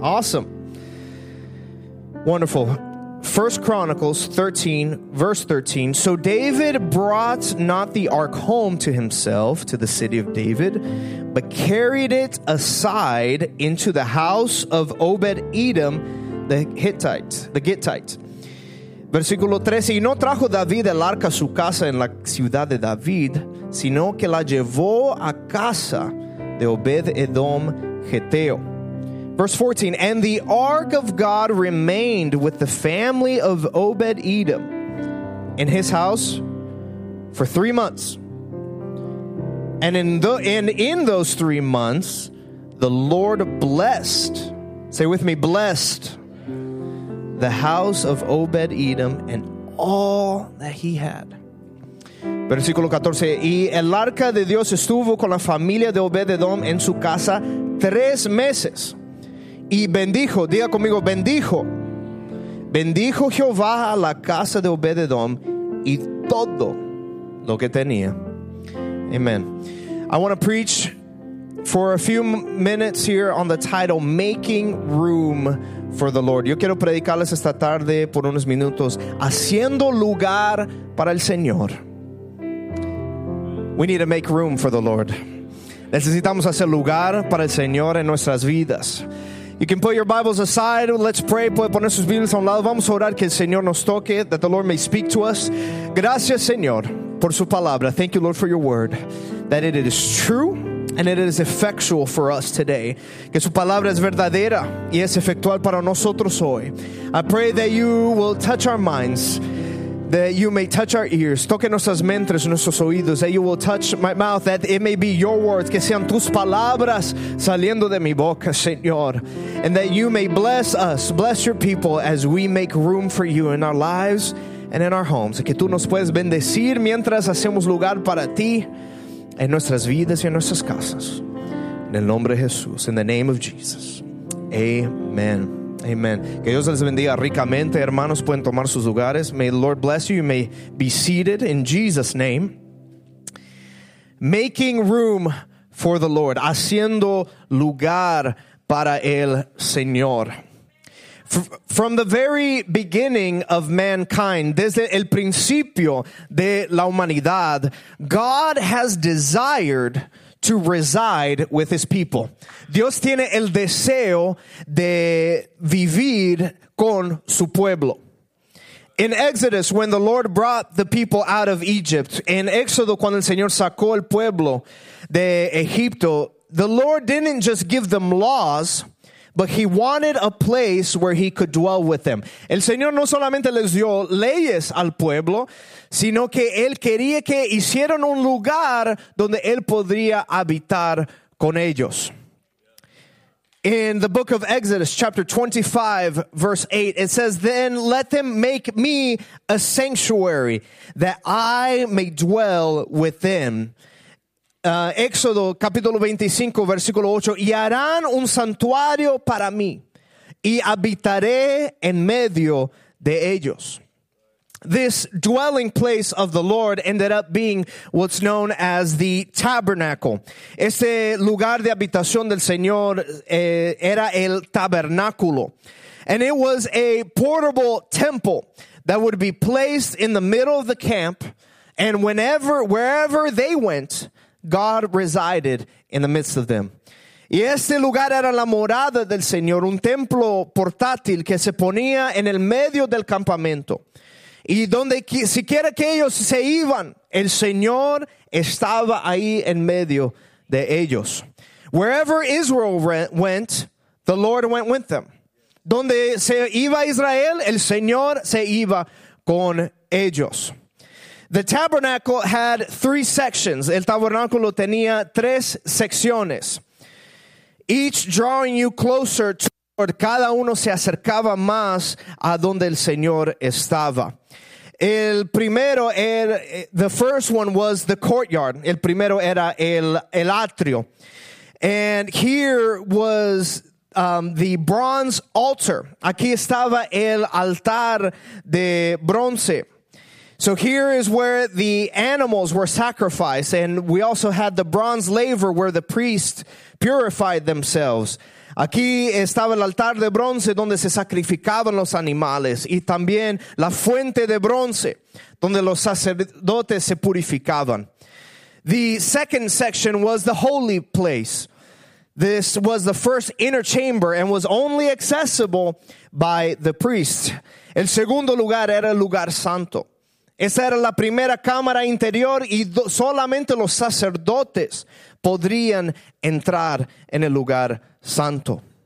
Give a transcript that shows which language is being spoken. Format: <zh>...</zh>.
<en>Awesome. Wonderful. 1 Chronicles 13, verse 13. So David brought not the ark home to himself, to the city of David, but carried it aside into the house of Obed-Edom, the Gittites.</en> <es>Versículo 13, y no trajo David el arca a su casa en la ciudad de David, sino que la llevó a casa de Obed-Edom Geteo.</es> <en>Verse 14, and the ark of God remained with the family of Obed-Edom in his house for 3 months. And in those 3 months, the Lord blessed, say with me, blessed the house of Obed-Edom and all that he had.</en> <es>Versículo 14, y el arca de Dios estuvo con la familia de Obed-Edom en su casa 3 meses. Y bendijo, diga conmigo, bendijo. Bendijo Jehová a la casa de Obed-Edom y todo lo que tenía.</es> <en>Amen. I want to preach for a few minutes here on the title, Making Room for the Lord.</en> <es>Yo quiero predicarles esta tarde por unos minutos, Haciendo Lugar para el Señor.</es> <en>We need to make room for the Lord.</en> <es>Necesitamos hacer lugar para el Señor en nuestras vidas.</es> <en>You can put your Bibles aside. Let's pray.</en> <es>Puede poner sus Biblias a un lado. Vamos a orar que el Señor nos toque,</es> <en>that the Lord may speak to us.</en> <es>Gracias, Señor, por su palabra.</es> <en>Thank you, Lord, for your word, that it is true and it is effectual for us today.</en> <es>Que su palabra es verdadera y es efectual para nosotros hoy.</es> <en>I pray that you will touch our minds, that you may touch our ears.</en> <es>Toque nuestras mentes, nuestros oídos.</es> <en>That you will touch my mouth, that it may be your words.</en> <es>Que sean tus palabras saliendo de mi boca, Señor.</es> <en>And that you may bless us, bless your people as we make room for you in our lives and in our homes.</en> <es>Que tú nos puedes bendecir mientras hacemos lugar para ti en nuestras vidas y en nuestras casas. En el nombre de Jesús.</es> <en>In the name of Jesus. Amen. Amen.</en> <es>Que Dios les bendiga ricamente. Hermanos, pueden tomar sus lugares.</es> <en>May the Lord bless you. You may be seated in Jesus' name. Making room for the Lord.</en> <es>Haciendo lugar para el Señor.</es> <en>From the very beginning of mankind,</en> <es>desde el principio de la humanidad,</es> <en>God has desired to reside with his people.</en> <es>Dios tiene el deseo de vivir con su pueblo.</es> <en>In Exodus, when the Lord brought the people out of Egypt,</en> <es>en Éxodo, cuando el Señor sacó el pueblo de Egipto,</es> <en>the Lord didn't just give them laws, but he wanted a place where he could dwell with them.</en> <es>El Señor no solamente les dio leyes al pueblo, sino que él quería que hicieran un lugar donde él podría habitar con ellos.</es> <en>In the book of Exodus, chapter 25, verse 8, it says, "Then let them make me a sanctuary that I may dwell with them."</en> <es>Éxodo capítulo 25 versículo 8, y harán un santuario para mí y habitaré en medio de ellos.</es> <en>This dwelling place of the Lord ended up being what's known as the tabernacle.</en> <es>Este lugar de habitación del Señor era el tabernáculo,</es> <en>and it was a portable temple that would be placed in the middle of the camp, and wherever they went, God resided in the midst of them.</en> <es>Y este lugar era la morada del Señor, un templo portátil que se ponía en el medio del campamento. Y donde siquiera que ellos se iban, el Señor estaba ahí en medio de ellos.</es> <en>Wherever Israel went, the Lord went with them.</en> <es>Donde se iba Israel, el Señor se iba con ellos.</es> <en>The tabernacle had 3 sections.</en> <es>El tabernáculo tenía 3 secciones.</es> <en>Each drawing you closer to the Lord.</en> <es>Cada uno se acercaba más a donde el Señor estaba. El primero,</es> <en>the first one was the courtyard.</en> <es>El primero era el atrio.</es> <en>And here was the bronze altar.</en> <es>Aquí estaba el altar de bronce.</es> <en>So here is where the animals were sacrificed, and we also had the bronze laver where the priests purified themselves.</en> <es>Aquí estaba el altar de bronce donde se sacrificaban los animales, y también la fuente de bronce donde los sacerdotes se purificaban.</es> <en>The second section was the holy place. This was the first inner chamber and was only accessible by the priest.</en> <es>El segundo lugar era el lugar santo. Esa era la primera cámara interior y solamente los sacerdotes podrían entrar en el lugar santo.</es>